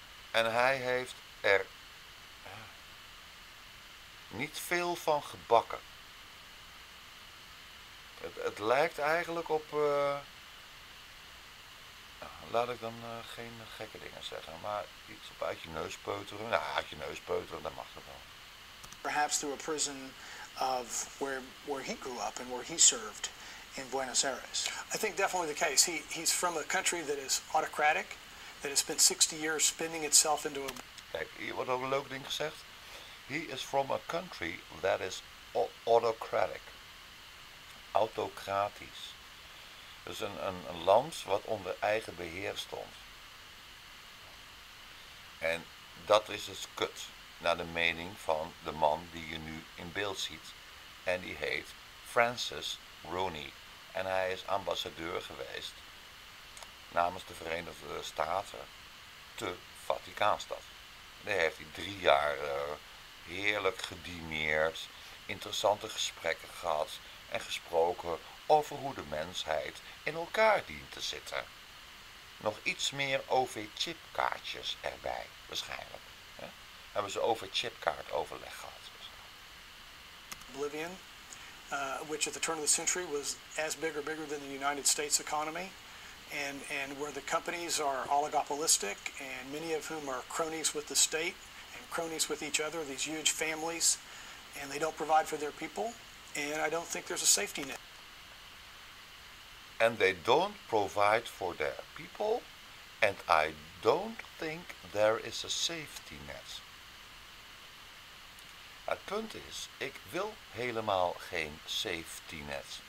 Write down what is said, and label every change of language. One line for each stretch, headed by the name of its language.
Dutch: En hij heeft er niet veel van gebakken. Het lijkt eigenlijk op... laat ik dan geen gekke dingen zeggen, maar iets op uit je neus peuteren. Nou, uit je neus peuteren, dan mag dat wel.
English: Perhaps through a prison of where he grew up and where he served in Buenos Aires. I think definitely the case. He's from a country that is autocratic, that has spent 60 years spinning itself into a...
Dutch: Kijk, hier wordt ook een leuk ding gezegd.
English: He is from a country that is autocratic.
Dutch: Autocratisch. Dus een land wat onder eigen beheer stond. En dat is dus kut, naar de mening van de man die je nu in beeld ziet. En die heet Francis Rooney. En hij is ambassadeur geweest namens de Verenigde Staten te Vaticaanstad. Daar heeft hij 3 jaar heerlijk gedineerd, interessante gesprekken gehad en gesproken over hoe de mensheid in elkaar dient te zitten. Nog iets meer OV-chipkaartjes erbij, waarschijnlijk. Hè? Hebben ze OV-chipkaart overleg gehad.
English: Bolivian, which at the turn of the century was as big or bigger than the United States economy, and where the companies are oligopolistic, and many of whom are cronies with the state, and cronies with each other, these huge families, and they don't provide for their people, and I don't think there's a safety net. And they don't provide for their people, and I don't think there is a safety net.
Dutch: Het punt is, ik wil helemaal geen
English: safety net.